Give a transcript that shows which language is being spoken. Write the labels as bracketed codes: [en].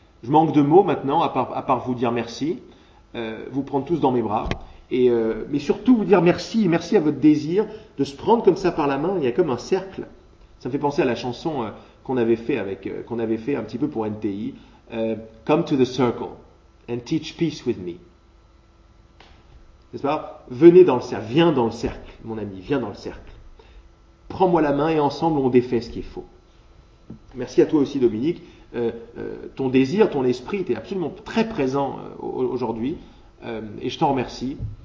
[fr] Je manque de mots maintenant, à part vous dire merci, vous prendre tous dans mes bras. Mais surtout, vous dire merci, merci à votre désir de se prendre comme ça par la main. Il y a comme un cercle. Ça me fait penser à la chanson qu'on avait fait un petit peu pour NTI. [en] Come to the circle and teach peace with me. [fr] N'est-ce pas? Venez dans le cercle, viens dans le cercle, mon ami, viens dans le cercle. Prends-moi la main et ensemble on défait ce qui est faux. Merci à toi aussi, Dominique. Ton désir, ton esprit était absolument très présent aujourd'hui et je t'en remercie.